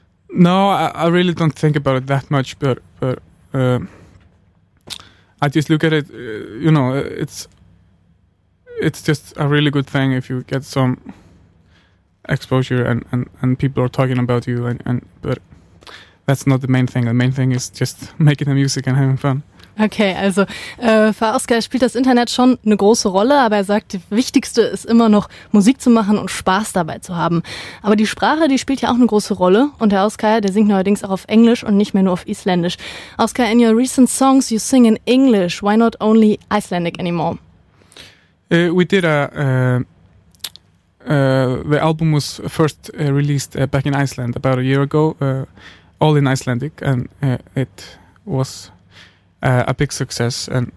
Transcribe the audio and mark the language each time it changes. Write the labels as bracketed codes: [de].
[en] No, I really don't think about it that much. But I just look at it. You know, it's just a really good thing if you get some exposure and people are talking about you but. That's not the main thing. The main thing is just making the music and having fun. [de] Okay, also für Oskar spielt das Internet schon eine große Rolle, aber er sagt, das Wichtigste ist immer noch Musik zu machen und Spaß dabei zu haben. Aber die Sprache, die spielt ja auch eine große Rolle. Und der Oskar, der singt neuerdings auch auf Englisch und nicht mehr nur auf Isländisch. [en] Oskar, in your recent songs you sing in English. Why not only Icelandic anymore? We did the album was first released back in Iceland about a year ago. All in Icelandic, and it was a big success.